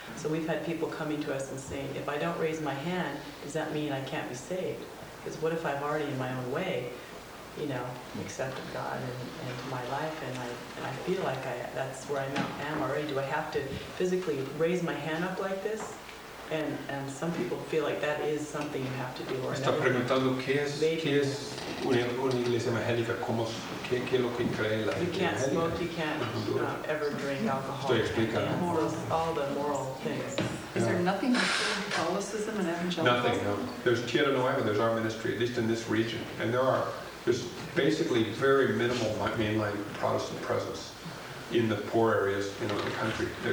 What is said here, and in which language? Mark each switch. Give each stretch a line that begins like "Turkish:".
English: So we've had people coming to us and saying, if I don't raise my hand, does that mean I can't be saved? Because what if I've already in my own way, you know, accepted God into my life, and I feel like that's where I am already. Do I have to physically raise my hand up like this? And some people feel like that is something you have to do. Or
Spanish: está preguntando qué es una iglesia evangélica, qué es lo que cree la
English: iglesia. You can't smoke, you can't ever drink alcohol.
Spanish: Estoy explicando.
English: All the moral things. Is there nothing like Catholicism and evangelicalism? Nothing, no. There's Tierra Nueva, there's our ministry, at least in this region. And there are. There's basically very minimal mainline Protestant presence in the poor areas, you know, in the country.